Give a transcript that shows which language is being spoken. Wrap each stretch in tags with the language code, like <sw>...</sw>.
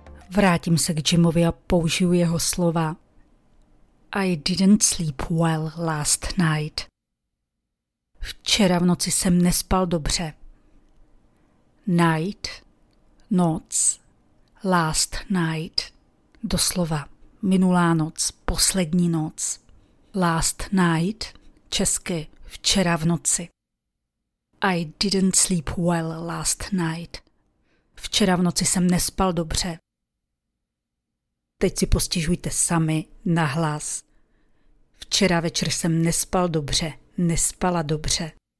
<cs>Vrátím se k Jimovi a použiju jeho slova.</cs> <en>I didn't sleep well last night.</en> <cs>Včera v noci jsem nespal dobře. Night, noc,</cs> <en>last night,</en> <cs>doslova minulá noc, poslední noc. Last night, česky, včera v noci.</cs> <en>I didn't sleep well last night.</en> <cs>Včera v noci jsem nespal dobře. Teď si postižujte sami nahlas. Včera večer jsem nespal dobře, nespala dobře.</cs>